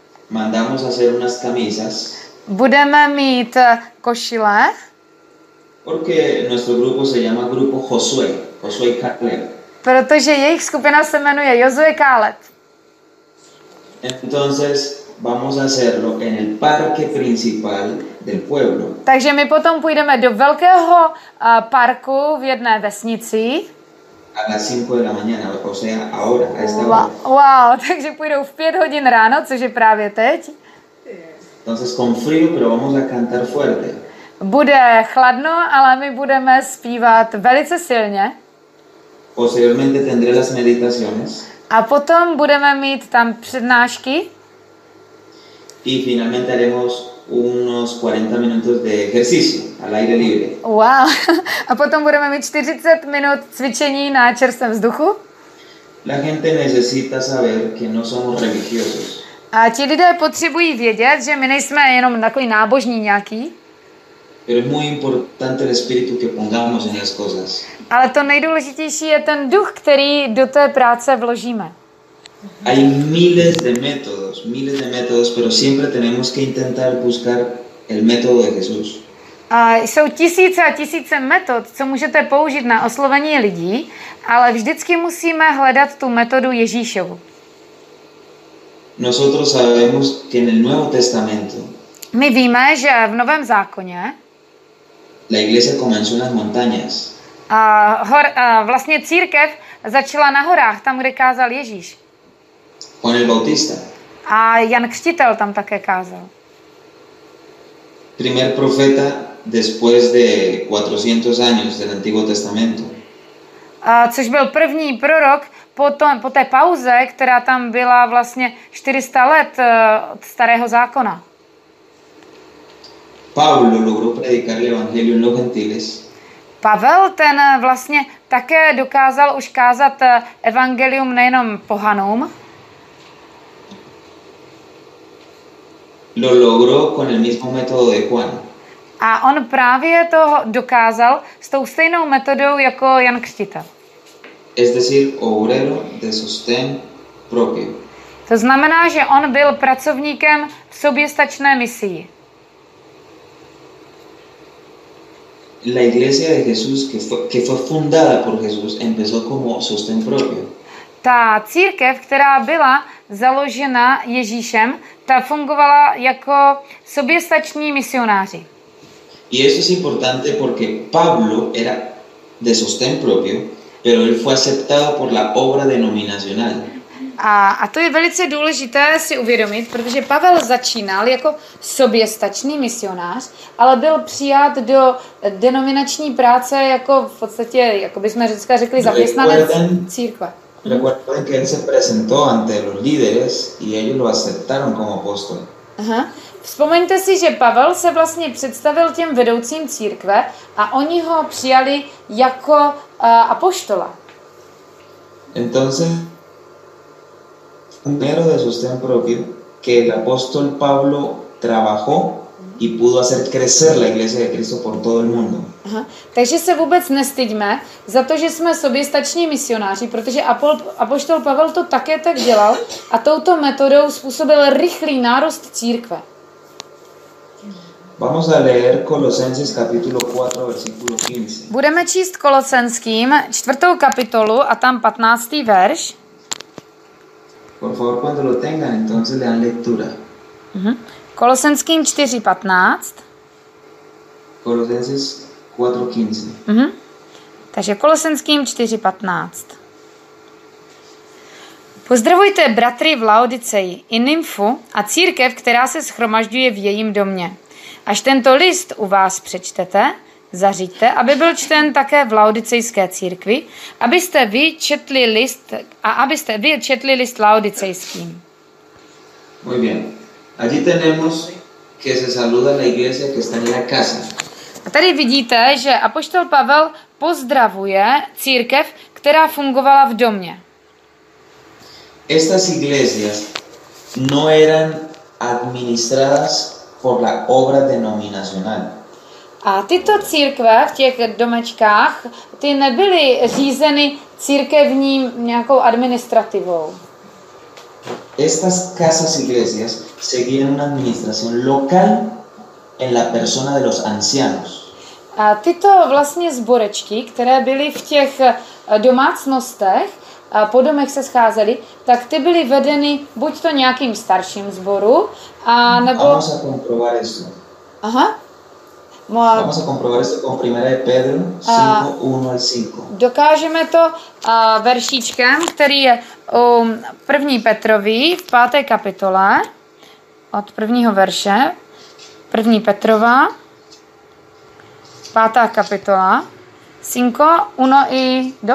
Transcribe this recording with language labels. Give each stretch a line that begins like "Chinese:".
Spanish: Mandamos hacer unas camisas.
Czech: Budeme mít košile.
Spanish: Porque nuestro grupo se llama grupo Josué, Josué Caleb.
Czech: Protože jejich skupina se jmenuje Josué Caleb.
Spanish: Entonces vamos a hacerlo en el parque principal del pueblo.
Czech: Takže my potom půjdeme do velkého parku v jedné vesnici.
Spanish: A las 5 de la mañana, o sea, ahora, a esta hora.
Czech: Wow, takže půjdou v 5 hodin ráno, což je právě teď.
Spanish: Entonces con frío, pero vamos a cantar fuerte.
Czech: Bude chladno, ale my budeme zpívat velice silně.
Spanish: Posteriormente tendré las meditaciones.
Czech: A potom budeme mít tam přednášky.
Spanish: Y finalmente haremos unos 40 minutos de ejercicio al aire libre. Wow.
Czech: A potom budeme mít 40 minut cvičení na čerstvém vzduchu.
Spanish: La gente necesita saber que no somos religiosos.
Czech: A ti lidé potřebují vědět, že my nejsme jenom takový nábožní nějaký.
Spanish: Pero es muy importante el espíritu que pongamos en las cosas.
Czech: Ale to nejdůležitější je ten duch, který do té práce vložíme.
Spanish: Hay miles de métodos, pero siempre tenemos que intentar buscar el método de Jesús.
Czech: A jsou tisíce a tisíce metod, co můžete použít na oslovení lidí, ale vždycky musíme hledat tu metodu Ježíšovu.
Spanish: Nosotros sabemos que en el Nuevo Testamento.
Czech: My víme, že v Novém zákoně.
Spanish: La iglesia comenzó en las montañas.
Czech: Vlastně církev začala na horách, tam, kde kázal Ježíš.
Spanish: Juan el Bautista.
Czech: A Jan Křtitel tam také kázal.
Spanish: Primer profeta después de 400 años del Antiguo Testamento.
Czech: Což byl první prorok po té pauze, která tam byla vlastně 400 let od Starého zákona.
Spanish: Pablo logró predicar el evangelio en los gentiles.
Czech: Pavel ten vlastně také dokázal už kázat evangelium nejenom pohanům.
Spanish: Lo logró con el mismo método de Juan.
Czech: A on právě to dokázal s tou stejnou metodou jako Jan Křtitel.
Spanish: Es decir, obrero de sostén propio.
Czech: To znamená, že on byl pracovníkem v soběstačné misii.
Spanish: La iglesia de Jesús que fue fundada por Jesús empezó como sostén propio.
Czech: Ta církev, která byla založena Ježíšem, ta fungovala jako soběstační misionáři.
Spanish: Y eso es importante porque Pablo era de sostén propio, pero él fue aceptado por la obra denominacional.
Czech: A to je velice důležité si uvědomit, protože Pavel začínal jako soběstačný misionář, ale byl přijat do denominační práce jako v podstatě, jako bychom dneska řekli, zaměstnanec církve.
Spanish: Recuerden que él se presentó ante los líderes y ellos lo aceptaron como apóstol. Aha.
Czech: Vzpomeňte si, že Pavel se vlastně představil těm vedoucím církve a oni ho přijali jako apoštola.
Spanish: Entonces, primero de sostén propio que el apóstol Pablo trabajó y pudo hacer crecer la iglesia de Cristo por todo el mundo. Aha.
Czech: Takže se vůbec nestyďme za to, že jsme soběstační misionáři, protože apoštol Pavel to také tak dělal a touto metodou způsobil rychlý nárůst církve.
Spanish: Vamos a leer Colosenses capítulo 4 versículo 15.
Czech: Budeme číst Kolosenským 4. kapitolu a tam 15. verš.
Spanish: Por favor, cuando lo tengan, entonces le dan lectura.
Czech: Kolosenským 4:15.
Spanish: Colosenses 4:15.
Czech: Takže Kolosenským 4:15. Pozdravujte bratry v Laodiceji i Nymfu a církev, která se shromažďuje v jejím domě. Až tento list u vás přečtete, zaříďte, aby byl čten také v Laodicejské církvi, abyste vy četli list a abyste vy četli list Laodicejským.
Spanish: Muy bien. Allí tenemos que se saluda la iglesia que está en la casa.
Czech: A tady vidíte, že apoštol Pavel pozdravuje církev, která fungovala v domě.
Spanish: Estas iglesias no eran administradas por la obra denominacional.
Czech: A tyto církve v těch domečkách, ty nebyly řízeny církevním nějakou administrativou.
Spanish: Estas casas iglesias seguían una administración local en la persona de los ancianos.
Czech: A tyto vlastně zborečky, které byly v těch domácnostech, a po domech se scházeli, tak ty byly vedeny buď to nějakým starším zboru, a nebo...
Spanish: Vamos a comprobar esto. Aha. Vamos a comprobar esto con primera de Pedro 5:1-5.
Czech: Dokážeme to veršíčkem, který je u 1. Petrovi v 5. kapitole od 1. verše. 1. Petrova 5. kapitola 5:1-5.